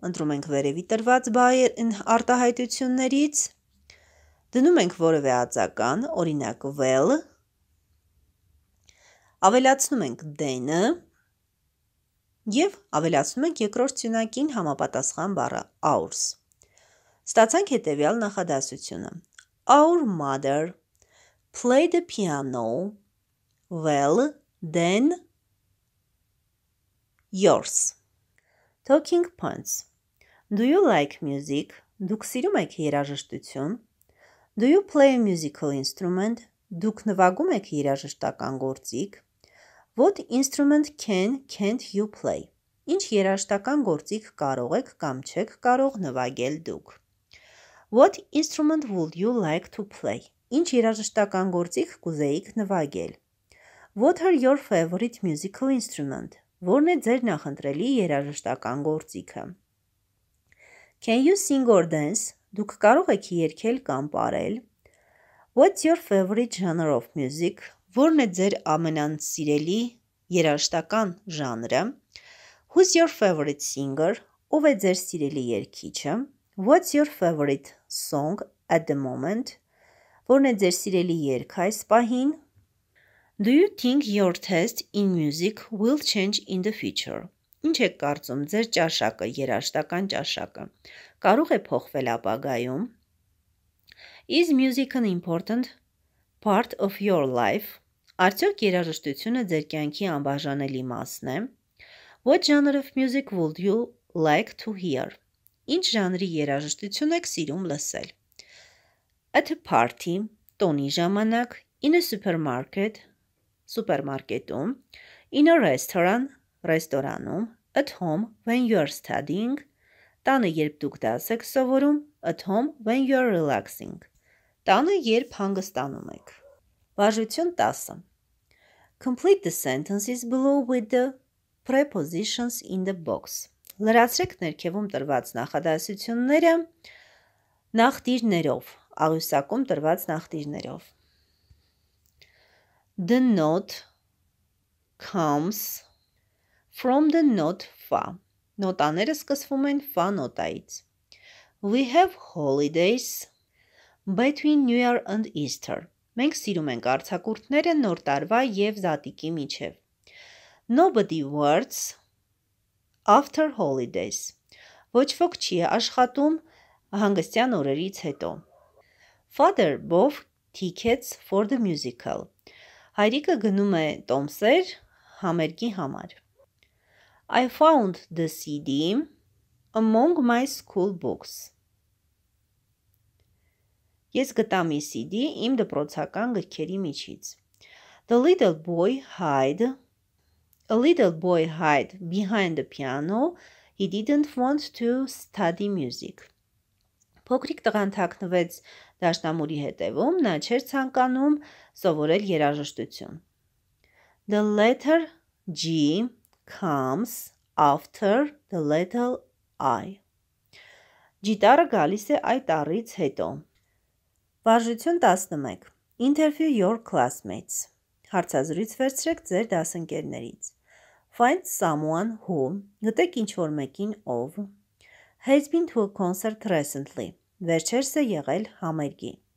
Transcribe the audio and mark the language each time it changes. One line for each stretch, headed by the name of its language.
Armenian: ընտրում ենք վերևի տրված բայր արտահայտություններից, դնում ենք որևէ ածական, օրինակ well, ավելացնում ենք then-ը, և ավելացնում ենք երկրորդ սյունակին համապատասխան բառը ours. Ստացանք հետևյալ նախադասությունը.
English: Our mother played the piano well than yours. Talking points. Do you like music?
Armenian: Դուք սիրում եք երաժշտություն?
English: Do you play a musical instrument?
Armenian: Դուք նվագում եք երաժշտական գործիք?
English: What instrument can't you play?
Armenian: Ինչ երաժշտական գործիք կարող եք կամ չեք կարող նվագել դուք?
English: What instrument would you like to play?
Armenian: Ինչ երաժշտական գործիք կուզեիք նվագել?
English: What are your favorite musical instrument?
Armenian: Որն է ձեր նախընտրելի երաժշտական գործիքը?
English: Can you sing or dance?
Armenian: Դուք կարող եք երգել կամ պարել?
English: What's your favorite genre of music?
Armenian: Որն է ձեր ամենասիրելի երաժշտական ժանրը?
English: Who's your favorite singer?
Armenian: Ով է ձեր սիրելի երգիչը?
English: What's your favorite song at the moment?
Armenian: Որն է ձեր սիրելի երգ այս պահին?
English: Do you think your taste in music will change in the future?
Armenian: Ինչ եք կարծում ձեր ճաշակը, երաժշտական ճաշակը, կարող է փոխվել ապագայում?
English: Is music an important part of your life?
Armenian: Արդյոք երաժշտությունը ձեր կյանքի անբաժանելի մասն է?
English: What genre of music would you like to hear?
Armenian: Ինչ ժանրի երաժշտություն եք սիրում լսել?
English: At a party,
Armenian: տոնի ժամանակ,
English: in a supermarket,
Armenian: սուպերմարկետում,
English: in a restaurant,
Armenian: ռեստորանում,
English: at home, when you are studying,
Armenian: տանը, երբ դուք դաս եք սովորում,
English: at home, when you are relaxing,
Armenian: տանը, երբ հանգստանում եք. Վարժություն 10.
English: Complete the sentences below with the prepositions in the box.
Armenian: Լրացրեք ներքևում տրված նախադասությունները նախտիրներով, աղյուսակում տրված նախտիրներով.
English: The note comes from the note fa.
Armenian: Նոտաները սկսվում են fa նոտայից.
English: We have holidays between New Year and Easter.
Armenian: Մենք սիրում ենք արձակուրդները նոր տարվա և զատիկի միջև.
English: Nobody works after holidays.
Armenian: Ոչ ոք չի աշխատում հանգստյան օրերից հետո.
English: Father bought tickets for the musical.
Armenian: Հայրիկը գնում է տոմսեր համերգի համար.
English: I found the CD among my school books.
Armenian: Ես գտա մի CD իմ դպրոցական գրքերի միջից.
English: The little boy hide. A little boy hid behind the piano. He didn't want to study music.
Armenian: Փոքրիկ տղան թաքնվեց դաշնամուրի հետևում, նա չէր ցանկանում սովորել երաժշտություն.
English: The letter G comes after the letter I.
Armenian: Գիտարը գալիս է այդ առից հետո. Վարժություն 11.
English: Interview your classmates.
Armenian: Հարցազրույց վերցրեք ձեր դասընկերներից.
English: Find someone who,
Armenian: գտեք ինչ-որ մեկին, ով,
English: has been to a concert recently,
Armenian: վերջերս է եղել համերգի.